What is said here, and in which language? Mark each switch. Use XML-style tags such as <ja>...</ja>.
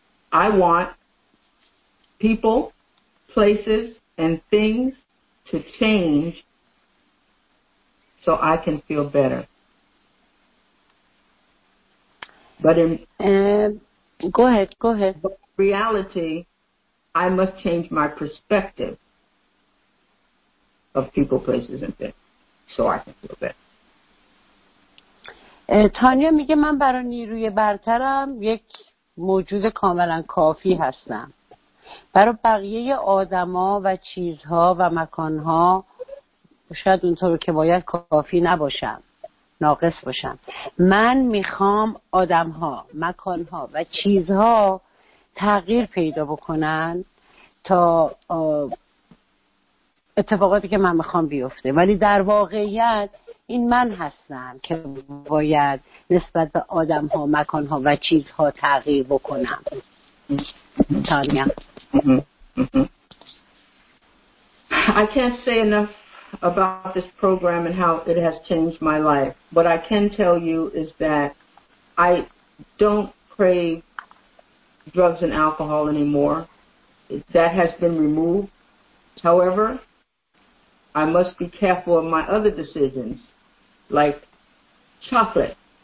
<en>I want people, places, and things to change so I can feel better. But in go ahead. Reality, I must change my perspective of people, places, and things so I can feel better.</en> <fa>تانیا میگه من برای نیروی برترم یک موجود کاملا کافی هستم. برای بقیه آدما و چیزها و مکانها شاید اونطور که باید کافی نباشم، ناقص باشم. من میخوام آدمها، مکانها و چیزها تغییر پیدا بکنن تا اتفاقاتی که من میخوام بیفته. ولی در واقعیت این من هستم که باید نسبت به آدمها، مکانها و چیزها تغییر بکنم. تانیا.</fa> <en>I can't say enough about this program and how it has changed my life. What I can tell you is that I don't crave drugs and alcohol anymore. That has been removed. However, I must be careful of my other decisions, like chocolate.</en>